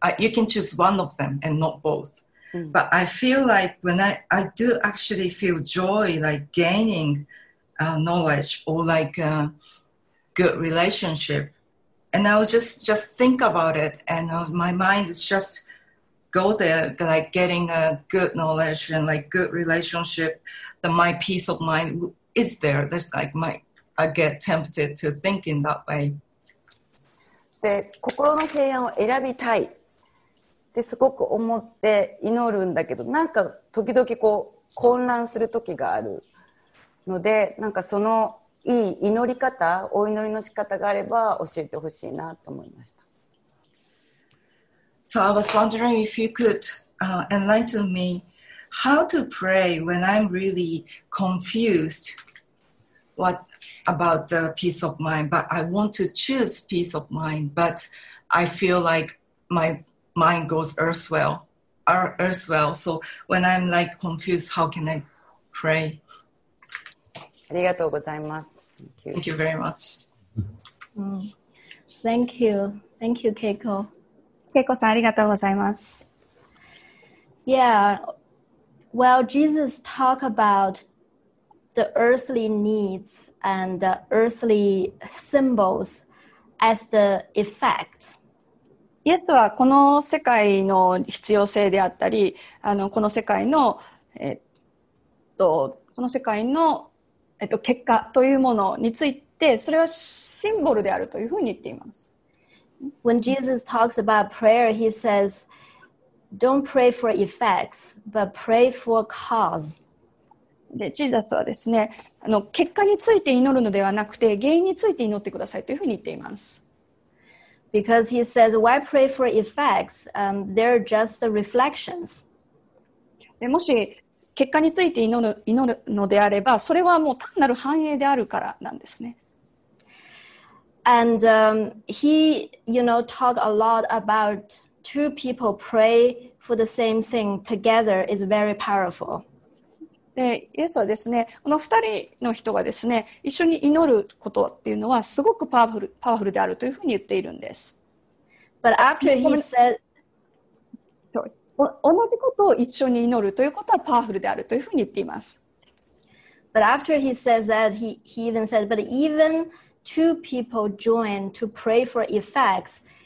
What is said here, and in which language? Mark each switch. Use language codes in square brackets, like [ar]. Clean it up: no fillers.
[en] You can choose one of them and not both. But I feel like when I do actually feel joy, like gaining knowledge or like a good relationship, and I would just think about it, and my mind just go there, like getting a good knowledge and like good relationship. That my peace of mind is there. That's like my. I get tempted to think in that way. [ja] で、心の平安を選びたいってすごく思って祈るんだけど、なんか時々こう混乱する時があるので、なんかそのいい祈り方、お祈りの仕方があれば教えてほしいなと思いました。 [en] So I was wondering if you could enlighten me how to pray when I'm really confused. What about the peace of mind, but I want to choose peace of mind, but I feel like my mind goes elsewhere. So when I'm like confused, how can I pray? [ja] ありがとうございます。 [en] Thank you very much. Thank you. Thank you, Keiko. [ja] Keiko さん、ありがとうございます。 [en] Yeah, well, Jesus talked about the earthly needs and the earthly symbols as the effect. [ja] イエスはこの世界の必要性であったり、この世界の、この世界の、結果というものについて、それはシンボルであるというふうに言っています。 [en] When Jesus talks about prayer, he says,Don't pray for effects, but pray for cause. [ja] で、ジーザスはですね、結果について祈るのではなくて、原因について祈ってくださいというふうに言っています。 [en] Because he says, why pray for effects? They're just the reflections. [ja] で、もし結果について祈るのであれば、それはもう単なる反映であるからなんですね。 [en] And he, you know, talked a lot about... Two people pray for the same thing together is very powerful. [ja] で、イエスはですね、この二人の人がですね、一緒に祈ることっていうのはすごくパワフルであるというふうに言っているんです。 [en] But after he said, [ja] 同じことを一緒に祈るということはパワフルであるというふうに言っています。 [en] But after he says that, he even said, but even two people join to pray for effects.